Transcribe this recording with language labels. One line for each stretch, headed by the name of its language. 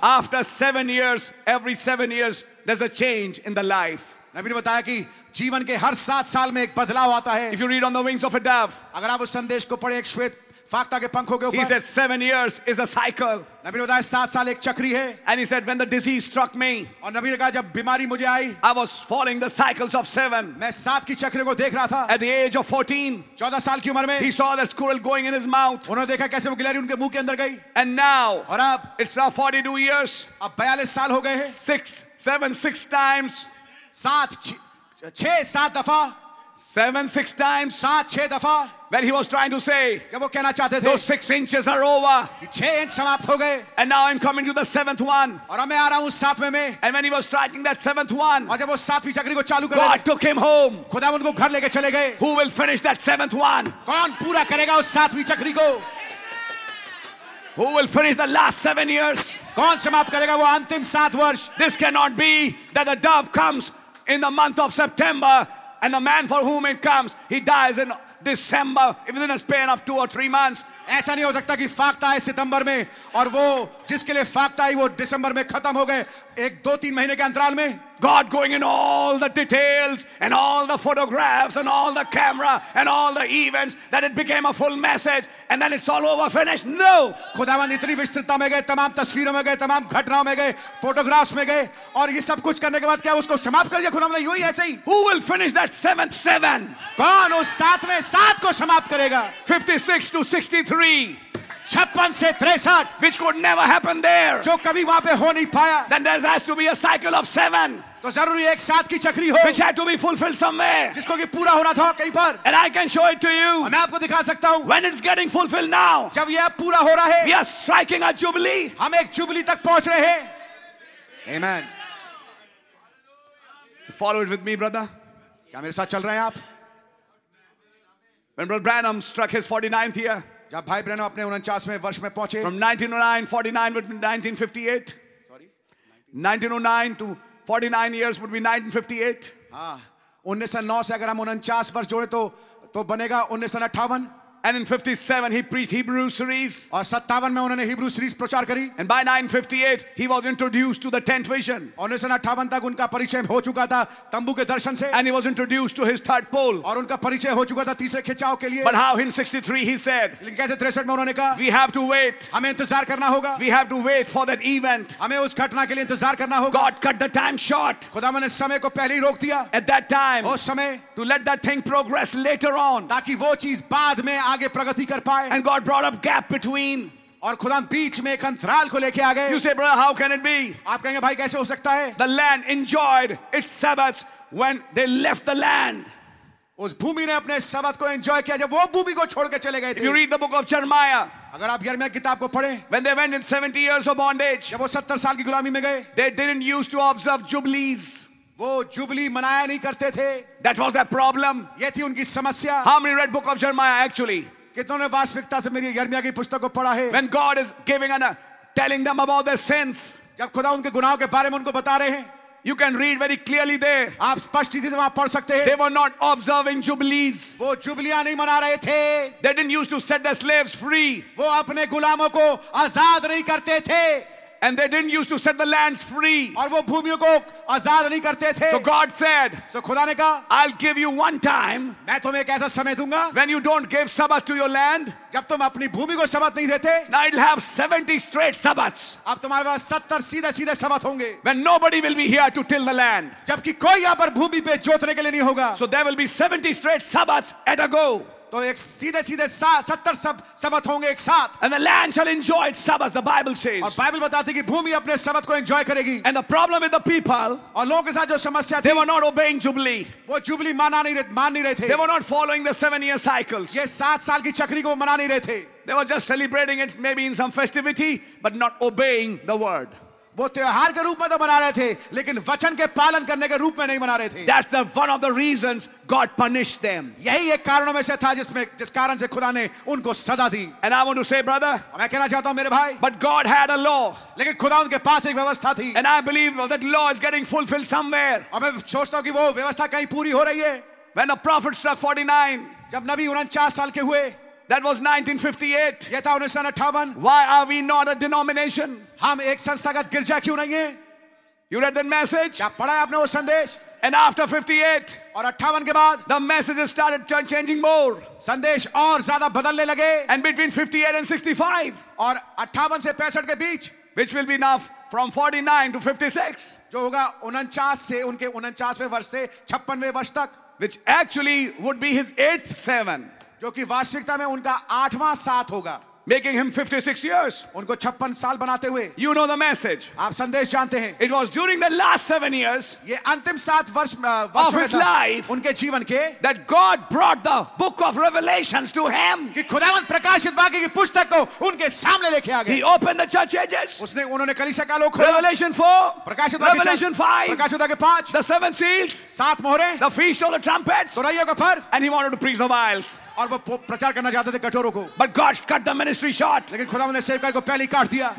English: After 7 years, every 7 years, there's a change in the life.
Hindi: नबी ने बताया कि जीवन के हर सात साल में एक बदलाव आता है.
English: If you read on the wings of a dove.
Hindi: अगर आप उस संदेश को पढ़े एक श्वेत फाख्ता के पंखों के ऊपर.
English: He said 7 years is a cycle.
Hindi: नबी ने बताया सात साल एक चक्री है.
English: And he said when the disease struck me.
Hindi: और नबी ने कहा जब बीमारी मुझे आई.
English: I was following the cycles of 7.
Hindi: मैं सात की चक्री को देख रहा था.
English: At the age of 14.
Hindi: 14 साल की उम्र में.
English: He saw the squirrel going in his mouth.
Hindi: उन्होंने देखा कैसे वो गिलहरी उनके मुंह के अंदर गई.
English: And now.
Hindi: और अब.
English: It's now 42 years.
Hindi: अब 42 साल हो गए हैं.
English: Six times.
Hindi: सात छह सात दफा.
English: Seven, six times.
Hindi: सात छह दफा.
English: When he was trying to say,
Hindi: जब वो कहना चाहते थे,
English: those 6 inches are over.
Hindi: कि 6 inch समाप्त हो गए.
English: And now I'm coming to the 7th one.
Hindi: और अब मैं आ रहा हूँ सातवें में.
English: And when he was striking that 7th one,
Hindi: और जब वो सातवीं चक्री को चालू कर रहे थे,
English: God took him home.
Hindi: खुदा उनको घर लेके चले गए.
English: Who will finish that 7th one?
Hindi: कौन पूरा करेगा उस सातवीं चक्री को?
English: Who will finish the last 7 years?
Hindi: कौन समाप्त करेगा वो अंतिम सात वर्ष?
English: This cannot be that the dove comes in the month of September. And the man for whom it comes, he dies in December, within a span of 2 or 3 months.
Hindi: ऐसा नहीं हो सकता कि फाख्ता है सितंबर में और वो जिसके लिए फाख्ता आई वो दिसंबर में खत्म हो गए एक दो तीन महीने के अंतराल में.
English: God going in all the details and all the photographs and all the camera and all the events that it became a full message and then it's all over finished. No.
Hindi: खुदावंद इतनी विस्तृतता में गए तमाम तस्वीरों में गए तमाम घटनाओं में गए फोटोग्राफ्स में गए और ये सब कुछ करने के बाद क्या उसको समाप्त कर दिया खुदावंद यूं ही ऐसे ही.
English: Who will finish that 7th 7?
Hindi: कौन उस सातवें सात को समाप्त करेगा?
English: 56 to 63.
Hindi: 56 से 63.
English: Which could never happen there.
Hindi: जो कभी वहाँ पे हो नहीं पाया.
English: Then there has to be a cycle of 7.
Hindi: तो जरूरी एक सात की चक्री हो.
English: Which had to be fulfilled somewhere.
Hindi: जिसको कि पूरा होना था कहीं पर.
English: And I can show it to you.
Hindi: और मैं आपको दिखा सकता हूँ.
English: When it's getting fulfilled now.
Hindi: जब ये पूरा हो रहा है.
English: We are striking a jubilee.
Hindi: हम एक जुबली तक पहुँच रहे हैं.
English: Amen. Follow it with me, brother.
Hindi: क्या मेरे साथ चल रहे हैं आप?
English: When Brother Branham struck his 49th year.
Hindi: जब भाई ब्रैनम अपने 49वें वर्ष में पहुंचे.
English: From 1909 to 1958. Sorry. 1909 to 49 years would be 1958.
Hindi: हाँ, 1909 से अगर हम 49 वर्ष जोड़े तो बनेगा 1958.
English: And in 57 he preached Hebrew series.
Hindi: और 57 में उन्होंने हिब्रू सीरीज प्रचार करी.
English: And by 1958 he was introduced to the tent vision.
Hindi: 1958 तक उनका परिचय हो चुका था तंबू के दर्शन से.
English: And he was introduced to his third pole.
Hindi: और उनका परिचय हो चुका था तीसरे खिंचाव के लिए.
English: But how in 63 he said.
Hindi: लेकिन कैसे 63 में उन्होंने कहा?
English: We have to wait.
Hindi: हमें इंतजार करना होगा.
English: We have to wait for that event.
Hindi: हमें उस घटना के लिए इंतजार करना होगा.
English: God cut the time short.
Hindi: खुदा ने समय को पहले ही रोक दिया.
English: At that time.
Hindi: उस समय.
English: To let that thing progress later on.
Hindi: ताकि वो चीज बाद में आगे प्रगति कर पाए.
English: And God brought up gap between.
Hindi: और खुदा बीच में एक अंतराल को लेके आ गए.
English: You say, brother, how can it be?
Hindi: आप कहेंगे भाई कैसे हो सकता है?
English: The land enjoyed its Sabbath when they left the land.
Hindi: उस भूमि ने अपने शब्द को एंजॉय किया जब वो भूमि को छोड़कर चले गए थे.
English: If you read the book of Jeremiah,
Hindi: अगर आप यर्मिया किताब को पढ़ें,
English: when they went in 70 years of bondage,
Hindi: जब वो 70 साल की गुलामी में गए,
English: they didn't used to observe jubilees.
Hindi: वो जुबली मनाया नहीं करते थे.
English: That was their problem.
Hindi: ये थी उनकी समस्या.
English: How many read book of Jeremiah actually?
Hindi: कितनों ने वास्तविकता से मेरी यर्मिया की पुस्तक को पढ़ा है?
English: When God is giving and telling them about their sins,
Hindi: जब खुदा उनके गुनाहों के बारे में उनको बता रहे हैं,
English: You can read very clearly there.
Hindi: आप स्पष्ट रीति से वहाँ पढ़ सकते हैं.
English: They were not observing jubilees.
Hindi: वो जुबलियाँ नहीं मना रहे थे.
English: They didn't used to set the slaves free.
Hindi: वो अपने गुलामों को आजाद नहीं करते थे.
English: And they didn't used to set the lands free.
Hindi: और वो भूमियों को आजाद नहीं करते थे.
English: So God said.
Hindi: So खुदा ने कहा.
English: I'll give you one time.
Hindi: मैं तुम्हें एक ऐसा समय दूंगा.
English: When you don't give Sabbath to your land.
Hindi: जब तुम अपनी भूमि को सबत नहीं देते,
English: now it'll have 70 straight Sabbaths.
Hindi: अब तुम्हारे पास 70 सीधे-सीधे सबत होंगे.
English: When nobody will be here to till the land.
Hindi: जबकि कोई यहाँ पर भूमि पे जोतने के लिए नहीं होगा.
English: So there will be 70 straight Sabbaths at a go.
Hindi: तो एक सीधे-सीधे 70 सबत होंगे एक साथ.
English: And the land shall enjoy its Sabbath, the Bible says.
Hindi: और बाइबल बताती है कि भूमि अपने सबत को enjoy करेगी.
English: And the problem with the people.
Hindi: और लोगों के साथ जो समस्या थी.
English: They were not obeying jubilee.
Hindi: वो जुबली मान नहीं रहे थे.
English: They were not following the 7-year cycles.
Hindi: ये 7 साल की चक्री को मना नहीं रहे थे.
English: They were just celebrating it maybe in some festivity, but not obeying the word.
Hindi: वो त्योहार के रूप में तो मना रहे थे, लेकिन वचन के पालन करने के रूप में नहीं मना रहे थे.
English: That's the one of the reasons God punished them.
Hindi: यही एक कारणों में से था जिस कारण से खुदा ने उनको सजा दी.
English: And I want to say, brother.
Hindi: मैं कहना चाहता हूँ मेरे भाई.
English: But God had a law.
Hindi: लेकिन खुदा उनके पास एक व्यवस्था थी.
English: And I believe that law is getting fulfilled somewhere.
Hindi: और मैं सोचता हूँ कि वो व्यवस्था कहीं पूरी हो रही है.
English: When a prophet struck 49.
Hindi: जब नबी 49 साल के हुए.
English: That was 1958.
Hindi: यह था 1958.
English: Why are we not a denomination?
Hindi: हम एक संस्थागत गिरजा क्यों नहीं हैं?
English: You read that message?
Hindi: क्या पढ़ा है आपने वो संदेश?
English: And after 58.
Hindi: और 58 के बाद?
English: The messages started changing more.
Hindi: संदेश और ज़्यादा बदलने लगे.
English: And between 58 and 65.
Hindi: और 58 से 65 के बीच?
English: Which will be enough from 49 to 56.
Hindi: जो होगा 49 से उनके 49वें वर्ष से 56वें वर्ष तक.
English: Which actually would be his 8th seven.
Hindi: जो कि वास्तविकता में उनका 8वां साथ होगा.
English: Making him 56 years.
Hindi: उनको 56 साल बनाते हुए.
English: You know the message.
Hindi: आप संदेश जानते हैं.
English: It was during the last 7 years.
Hindi: ये अंतिम 7 वर्ष
English: of his life.
Hindi: उनके जीवन के.
English: That God brought the book of revelations to him.
Hindi: कि खुदावंत प्रकाशित वाक्य की पुस्तक को उनके सामने लेके आ गए.
English: He opened the church ages.
Hindi: उसने उन्होंने कलीसिया का लोक खोला.
English: Revelation 4.
Hindi: प्रकाशित वाक्य.
English: Revelation 5.
Hindi: प्रकाशित वाक्य 5.
English: The 7 seals.
Hindi: 7 मोहरे.
English: The feast of the trumpets.
Hindi: तुरईयों का पर्व.
English: And he wanted to preach the vials.
Hindi: और वो प्रचार करना चाहते थे कठोरों को.
English: But God cut the ministry short.
Hindi: लेकिन खुदा ने सेवकाई को पहले ही काट दिया.